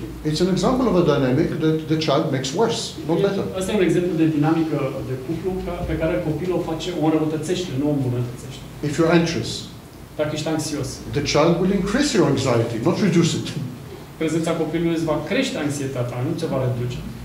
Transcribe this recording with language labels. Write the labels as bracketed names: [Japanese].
[English] It's an example of a dynamic that the child makes worse, not better. [Romanian] Asta e un exemplu de dinamică de cuplu pe care copilul o face, o înrăutățește, nu o îmbunătățește. [English] If you're anxious, [Romanian] dacă ești anxios, [English] the child will increase your anxiety, not reduce it. [Romanian] Prezența copilului îți va crește anxietatea, nu ți-o va reduce.